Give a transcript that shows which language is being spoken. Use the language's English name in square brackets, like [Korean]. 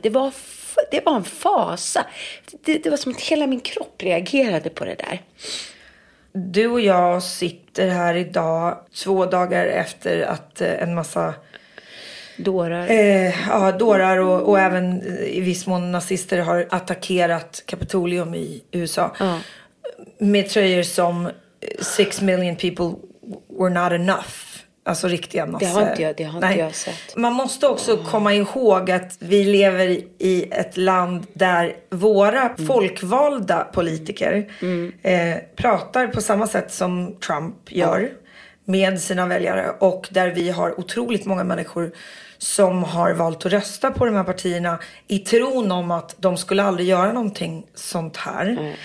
[Swedish] Det var en fasa. Det var som att hela min kropp reagerade på det där. Du och jag sitter här idag 2 dagar efter att en massa dårar. Ja, dårar och även i viss mån nazister har attackerat Kapitolium i USA. Med tröjor som [English] 6 million people were not enough. [Swedish] Alltså riktiga nazister. Det har inte jag sett. Man måste också komma ihåg att vi lever i ett land där våra folkvalda politiker pratar på samma sätt som Trump gör. Med sina väljare. Och där vi har otroligt många människor som har valt att rösta på de här partierna i tron om att de skulle aldrig göra någonting sånt här.